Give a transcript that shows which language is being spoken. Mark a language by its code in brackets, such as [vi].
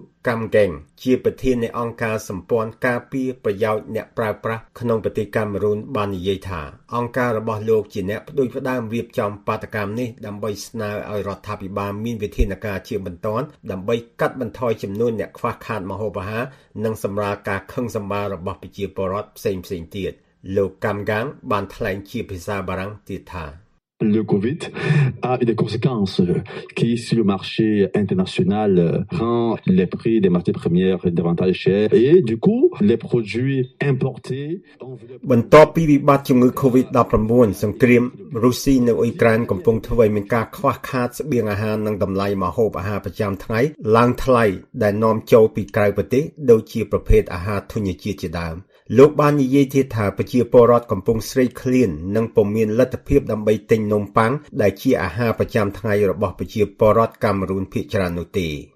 [km] កំកេងជាប្រធាននៃអង្គការសម្ព័ន្ធការពារប្រយោជន៍អ្នកប្រើប្រាស់ក្នុងប្រទេសកាមេរូនបាននិយាយថាអង្គការរបស់លោកជាអ្នកផ្ដួចផ្ដើមរៀបចំបាតកម្មនេះដើម្បីស្នើឲ្យរដ្ឋាភិបាលមានវិធានការជាបន្ទាន់ដើម្បីកាត់បន្ថយចំនួនអ្នកខ្វះខាតម្ហូបអាហារនិងសម្រាលការខឹងសម្បាររបស់ប្រជាពលរដ្ឋផ្សេងៗទៀតលោកកំកាងបានថ្លែងជាភាសាបារាំងទៀតថា [fr] Le Covid a eu des conséquences qui, sur le marché international, rend les prix des matières premières davantage chers. Et du coup, les produits importés... [km] បន្ទាប់ពីវិបត្តិជំងឺ COVID-19, សង្គ្រាមរុស្ស៊ីនៅអ៊ុយក្រែនកំពុងធ្វើឱ្យមានការខ្វះខាតស្បៀងអាហារនិងតម្លៃម្ហូបអាហារប្រចាំថ្ងៃឡើងថ្លៃដែលនាំចូលពីក្រៅប្រទេសដូចជាប្រភេទអាហារធញ្ញជាតិជាដើមលោកបាននិយាយទៀតថាប្រជាពលរដ្ឋកំពុងស្រេកឃ្លាននិងពុំមានលទ្ធភាពដើម្បីទិញនំប៉័ងដែលជាអាហារប្រចាំថ្ងៃរបស់ប្រជាពលរដ្ឋកាមេរូនភាគច្រើននោះទេ